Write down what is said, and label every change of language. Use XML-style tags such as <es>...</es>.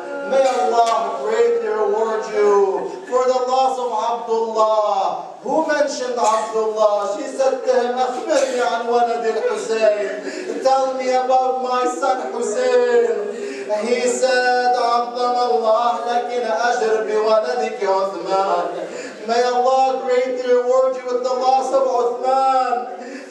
<en>May Allah greatly reward you for the loss of Abdullah. Who mentioned Abdullah? She said to him,</en> <ar>أخبرني عن ولد الحسين.</ar> <en>Tell me about my son Hussein. He said,</en> <ar>عظم الله لك الأجر بولدك عثمان.</ar> <en>May Allah greatly reward you with the loss of Uthman.</en>